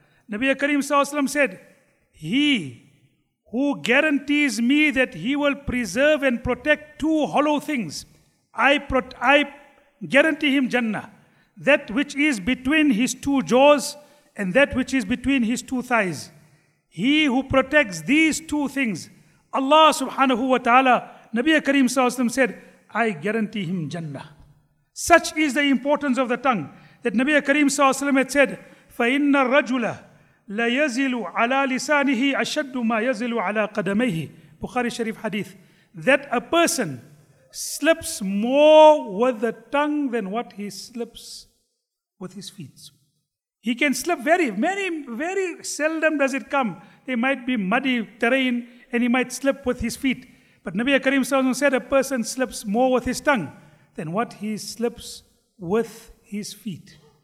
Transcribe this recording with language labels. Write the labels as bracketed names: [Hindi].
[English] Nabi Kareem Sallallahu Alaihi Wasallam said, he who guarantees me that he will preserve and protect two hollow things, I guarantee him Jannah, that which is between his two jaws and that which is between his two thighs. He who protects these two things, Allah subhanahu wa ta'ala, Nabi Kareem Sallallahu Alaihi Wasallam said, I guarantee him Jannah. Such is the importance of the tongue that Nabi Kareem Sallallahu Alaihi Wasallam had said, [Arabic] فَإِنَّ الرَّجُلَ لَيَزِلُ عَلَىٰ لِسَانِهِ أَشَدُّ مَا يَزِلُ عَلَىٰ قَدَمَيْهِ Bukhari Sharif Hadith. [English] That a person slips more with the tongue than what he slips with his feet. He can slip very, very, very seldom does it come. There might be muddy terrain and he might slip with his feet. But Nabi Karim Sallallahu Alaihi Wasallam said a person slips more with his tongue than what he slips with his feet.